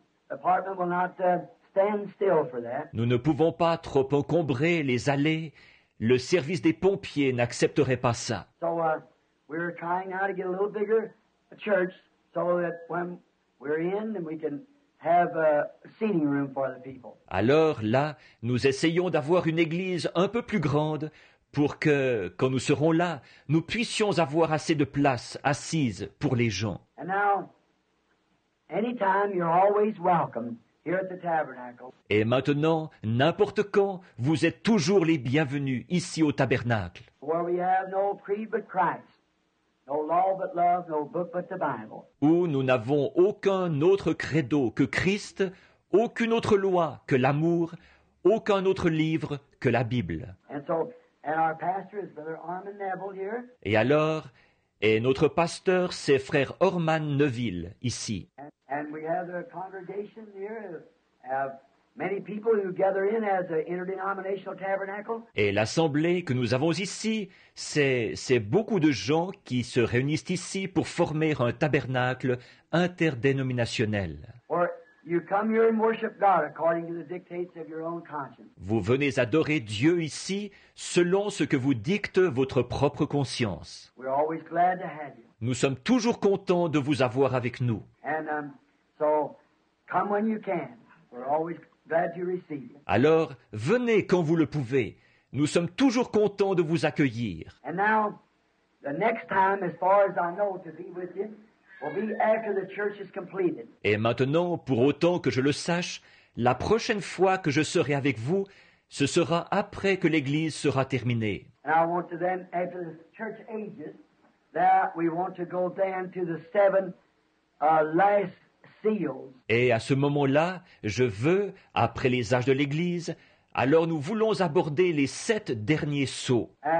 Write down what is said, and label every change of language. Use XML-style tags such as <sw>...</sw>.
<en>Apartment will not stand still for that.</en> <fr>Nous ne pouvons pas trop encombrer les allées. Le service des pompiers n'accepterait pas ça.</fr> <en>So we're trying now to get a little bigger a church so that when we're in and we can have a seating room for the people.</en> <fr>Alors là, nous essayons d'avoir une église un peu plus grande pour que, quand nous serons là, nous puissions avoir assez de place assise pour les gens.</fr> <en>And now, anytime, you're always welcome here at the tabernacle.</en> <fr>Et maintenant, n'importe quand, vous êtes toujours les bienvenus ici au tabernacle.</fr> <en>Where we have no creed but Christ. No law but love, no book but the Bible.</en> <fr>Où nous n'avons aucun autre credo que Christ, aucune autre loi que l'amour, aucun autre livre que la Bible.</fr> <en>And so And our pastor is Brother Armand Neville here.</en> <fr>Et alors, et notre pasteur, c'est Frère Orman Neville, ici.</fr> <en>And we have a congregation here, have many people who gather in as an interdenominational tabernacle.</en> <fr>Et l'assemblée que nous avons ici, c'est beaucoup de gens qui se réunissent ici pour former un tabernacle interdénominationnel.</fr> <en>Or you come here and worship God according to the dictates of your own conscience.</en> <fr>Vous venez adorer Dieu ici selon ce que vous dicte votre propre conscience.</fr> <en>We're always glad to have you.</en> <fr>Nous sommes toujours contents de vous avoir avec nous.</fr> <en>And so come when you can. We're always glad to receive you.</en> <fr>Alors, venez quand vous le pouvez. Nous sommes toujours contents de vous accueillir.</fr> <en>And now, the next time, as far as I know, to be with you, will be after the church is completed.</en> <fr>Et maintenant, pour autant que je le sache, la prochaine fois que je serai avec vous, ce sera après que l'église sera terminée.</fr> <en>And I want to then, after the church ages, that we want to go then to the seven last seals.</en> <fr>Et à ce moment-là, je veux, après les âges de l'Église, alors nous voulons aborder les sept derniers sceaux.</fr>